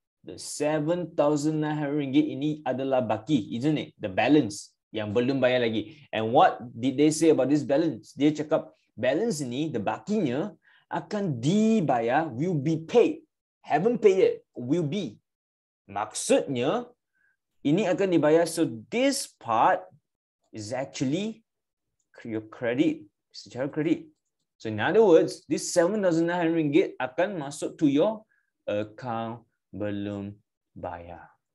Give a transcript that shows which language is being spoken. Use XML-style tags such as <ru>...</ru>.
<en>The 7,900 ringgit</en> <ms>ini adalah baki,</ms> <en>isn't it? The balance</en> <ms>yang belum bayar lagi.</ms> <en>And what did they say about this balance?</en> <ms>Dia cakap, balance ini, the bakinya, akan dibayar,</ms> <en>will be paid. Haven't paid yet, will be.</en> <ms>Maksudnya, ini akan dibayar.</ms> <en>So, this part is actually your credit.</en> <ms>Secara credit.</ms> <en>So, in other words, this 7,900 ringgit</en> <ms>akan masuk</ms> <en>to your account belum bayar.</en>